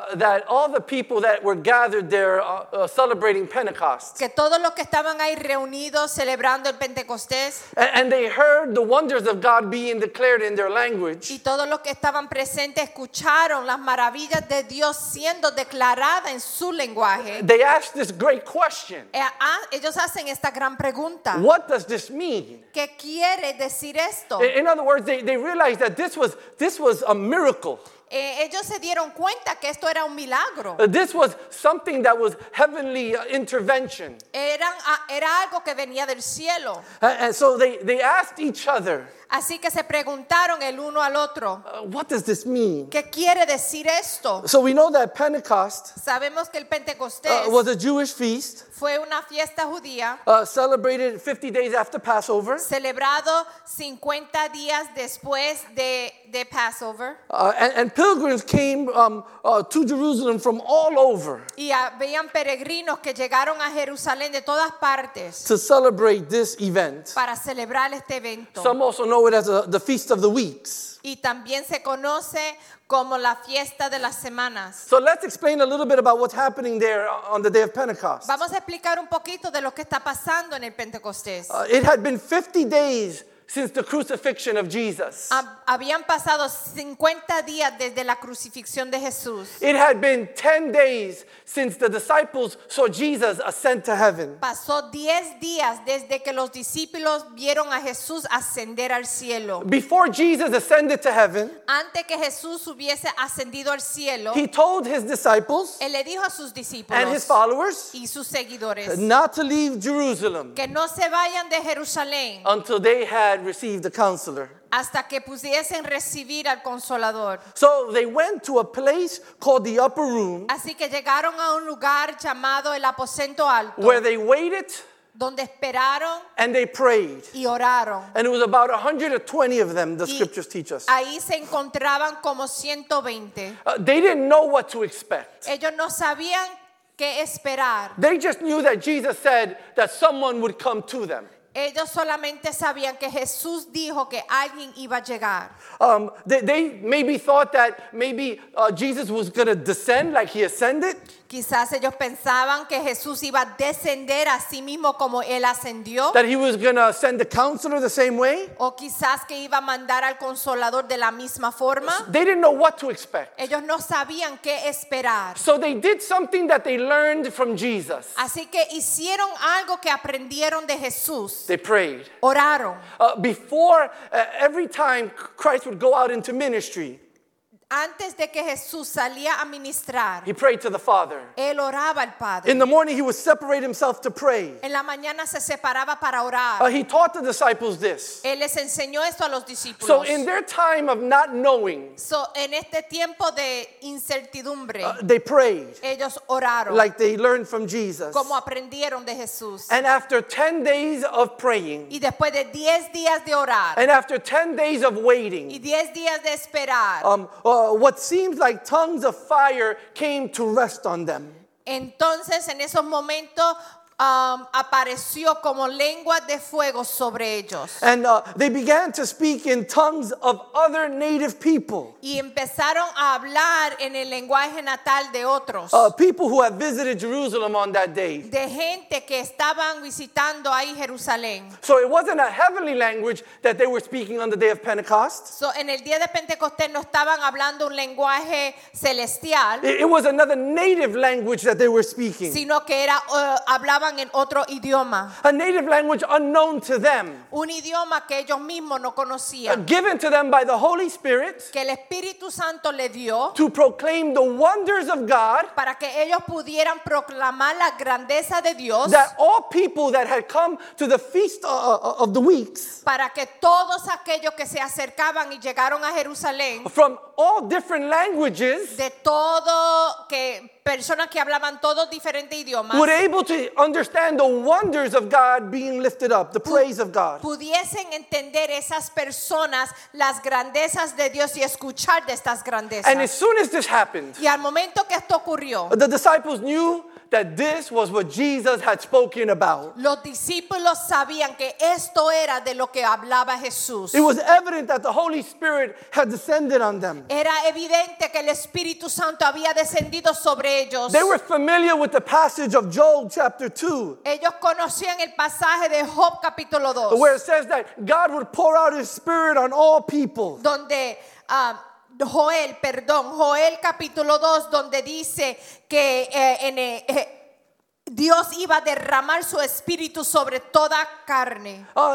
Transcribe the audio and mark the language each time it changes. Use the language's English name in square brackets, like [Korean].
[English] That all the people that were gathered there celebrating Pentecost. [Spanish] Que todos los que estaban ahí reunidos celebrando el Pentecostés. [English] And they heard the wonders of God being declared in their language. [Spanish] Y todos los que estaban presentes escucharon las maravillas de Dios siendo declaradas en su lenguaje. [English] They ask this great question. [Spanish] Ellos hacen esta gran pregunta. [English] What does this mean? [Spanish] ¿Qué quiere decir esto? [English] In other words, they realized that this was a miracle. [Spanish] Ellos se dieron cuenta que esto era un milagro. [English] This was something that was heavenly intervention. [Spanish] Era algo que venía del cielo. [English] And so they asked each other. [Spanish] Así que se preguntaron el uno al otro. [English] What does this mean? [Spanish] ¿Qué quiere decir esto? [English] So we know that Pentecost. [Spanish] Sabemos que el Pentecostés. [English] Was a Jewish feast. [Spanish] Fue una fiesta judía. [English] Celebrated 50 days after Passover. [Spanish] Celebrado 50 días después de Passover. [English] And pilgrims came to Jerusalem from all over. [Spanish] Y habían peregrinos que llegaron a Jerusalén de todas partes. [English] To celebrate this event. [Spanish] Para celebrar este evento. [English] Some also know it as the Feast of the Weeks. [Spanish] Y también se conoce como la fiesta de las semanas. [English] So let's explain a little bit about what's happening there on the day of Pentecost. [Spanish] Vamos a explicar un poquito de lo que está pasando en el Pentecostés. [English] It had been 50 days since the crucifixion of Jesus. [Spanish] Habían pasado 50 días desde la crucifixión de Jesús. [English] It had been 10 days since the disciples saw Jesus ascend to heaven. [Spanish] Pasó 10 días desde que los discípulos vieron a Jesús ascender al cielo. [English] Before Jesus ascended to heaven, [Spanish] antes que Jesús hubiese ascendido al cielo, [English] he told his disciples, [Spanish] él le dijo a sus discípulos, [English] and his followers, [Spanish] y sus seguidores, [English] not to leave Jerusalem, [Spanish] que no se vayan de Jerusalén, [English] until they had received the counselor. [Spanish] Hasta que pudiesen recibir al consolador. [English] So they went to a place called the upper room. [Spanish] Así que llegaron a un lugar llamado el aposento alto. [English] Where they waited. [Spanish] donde esperaron, [English] and they prayed. [Spanish] Y oraron. [English] And it was about 120 of them, the scriptures teach us. [Spanish] Ahí se encontraban como 120. [English] They didn't know what to expect. [Spanish] Ellos no sabían qué esperar. [English] They just knew that Jesus said that someone would come to them. [Spanish] Ellos solamente sabían que Jesús dijo que alguien iba a llegar. [English] They maybe thought that maybe Jesus was going to descend like he ascended. [Spanish] Quizás ellos pensaban que Jesús iba a descender a sí mismo como él ascendió. [English] That he was going to send the counselor the same way. [Spanish] O quizás que iba a mandar al consolador de la misma forma. [English] They didn't know what to expect. [Spanish] Ellos no sabían qué esperar. [English] So they did something that they learned from Jesus. [Spanish] Así que hicieron algo que aprendieron de Jesús. [English] They prayed. [Spanish] Oraron. [English] Before every time Christ would go out into ministry. [Spanish] Antes de que Jesús salía a ministrar, [English] he prayed to the Father. [Spanish] Él oraba al Padre. [English] In the morning he would separate himself to pray. [Spanish] En la mañana se separaba para orar. [English] He taught the disciples this. [Spanish] Él les enseñó esto a los discípulos. [English] So in their time of not knowing, [Spanish] so en este tiempo de incertidumbre, [English] they prayed. [Spanish] Ellos oraron. [English] Like they learned from Jesus. [Spanish] Como aprendieron de Jesús. [English] And after 10 days of praying, [Spanish] y después de 10 días de orar, [English] and after 10 days of waiting, [Spanish] y 10 días de esperar, [English] What seems like tongues of fire came to rest on them. [Spanish] Entonces, en esos momentos, apareció como lenguas de fuego sobre ellos. [English] And they began to speak in tongues of other native people. [Spanish] Y empezaron a hablar en el lenguaje natal de otros. [English] People who had visited Jerusalem on that day. [Spanish] De gente que estaban visitando ahí Jerusalén. [English] So it wasn't a heavenly language that they were speaking on the day of Pentecost. [Spanish] So en el día de Pentecostés no estaban hablando un lenguaje celestial. [English] It was another native language that they were speaking. [Spanish] Sino que era hablar en otro idioma. [English] A native language unknown to them. [Spanish] Un idioma que ellos mismos no conocían. [English] Given to them by the Holy Spirit. [Spanish] Que el Espíritu Santo le dio. [English] To proclaim the wonders of God. [Spanish] Para que ellos pudieran proclamar la grandeza de Dios. [English] That all people that had come to the feast of the weeks. [Spanish] Para que todos aquellos que se acercaban y llegaron a Jerusalén. [English] From all different languages. [Spanish] De todo que personas que hablaban todos diferentes idiomas, [English] were able to understand the wonders of God being lifted up, the praise of God. [Spanish] Pudiesen entender esas personas las grandezas de Dios y escuchar de estas grandezas. [English] And as soon as this happened, [Spanish] y al momento que esto ocurrió, [English] the disciples knew that this was what Jesus had spoken about. [Spanish] Los discípulos sabían que esto era de lo que hablaba Jesús. [English] It was evident that the Holy Spirit had descended on them. [Spanish] Era evidente que el Espíritu Santo había descendido sobre ellos. [English] They were familiar with the passage of Joel chapter 2. [Spanish] Ellos conocían el pasaje de Job capítulo 2. [English] Where it says that God would pour out his spirit on all people. [Spanish] Donde Joel capítulo 2, donde dice que Dios iba a derramar su espíritu sobre toda carne.